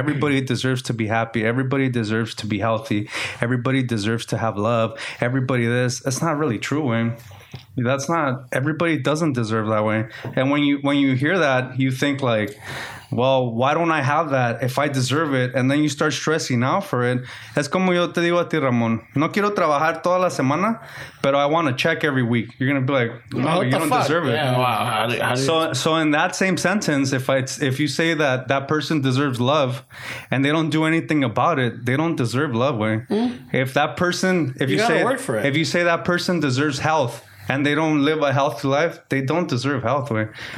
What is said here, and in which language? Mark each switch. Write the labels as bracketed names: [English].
[English] Everybody deserves to be happy. Everybody deserves to be healthy. Everybody deserves to have love. Everybody this. That's not really true, Wayne. That's not... Everybody doesn't deserve that, Wayne. And when you hear that, you think, like, well, why don't I have that if I deserve it? And then you start stressing out for it. [Spanish] Es como yo te digo a ti, Ramón. No quiero trabajar toda la semana, pero [English] I want a check every week. You're going to be like, no, you don't deserve it. Yeah, wow. So in that same sentence, if you say that that person deserves love and they don't do anything about it, they don't deserve love, way. Mm. If that person, if you say, work for it. If you say that person deserves health and they don't live a healthy life, they don't deserve health, way.